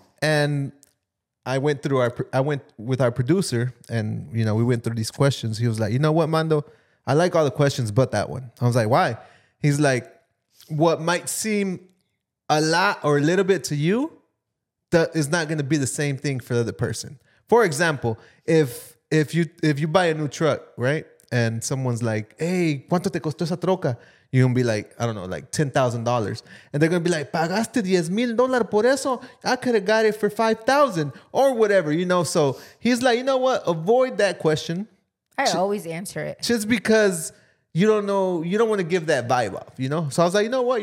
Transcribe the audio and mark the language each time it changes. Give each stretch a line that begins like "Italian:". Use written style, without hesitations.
English: And I went through I went with our producer, and, you know, we went through these questions. He was like, you know what, Mando? I like all the questions but that one. I was like, why? He's like, what might seem a lot or a little bit to you, that is not going to be the same thing for the other person. For example, if you buy a new truck, right?
Spanish: And someone's like, hey, ¿cuánto te costó esa troca?
English: You're going to be like, I don't know, like $10,000. And they're going to be like,
Spanish: ¿pagaste $10,000 por eso?
English: I could have got it for $5,000 or whatever, you know? So he's like, you know what? Avoid that question. I always answer it. Just because you don't know, you don't want to give that vibe off, you know? So I was like, you know what?